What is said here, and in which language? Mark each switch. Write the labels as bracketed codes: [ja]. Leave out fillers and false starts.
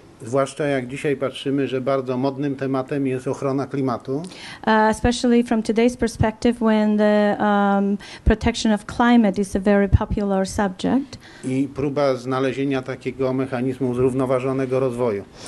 [pl] Zwłaszcza jak dzisiaj patrzymy, że bardzo modnym tematem jest ochrona klimatu. [en] Especially from today's perspective, when the protection of climate is a very popular subject. [pl] I próba znalezienia takiego mechanizmu zrównoważonego rozwoju.